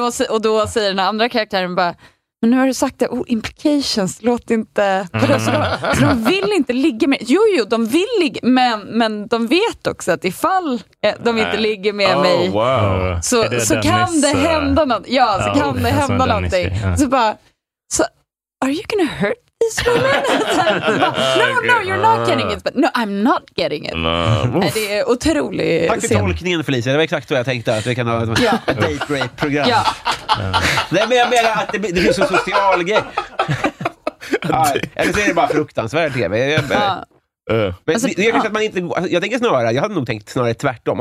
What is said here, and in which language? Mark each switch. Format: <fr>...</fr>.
<sv>Och då säger den andra karaktären bara, men nu har du sagt det, implications, låt inte, de vill inte ligga med, jo de vill ligga, men de vet också att ifall de inte ligger med mig, så kan det hända någonting. Så bara, så,</sv> <en>are you gonna hurt these women? No, you're not getting it, but no, I'm not getting it.</en> <sv>Det är otrolig scen. Tack för tolkningen, Felicia, det var exakt vad jag tänkte, att vi kan ha ett date rape program. Ja. Nej, men jag menar att det blir så social grej. Eller så är det bara fruktansvärt tv. Jag tänker snarare, jag hade nog tänkt snarare tvärtom.</sv>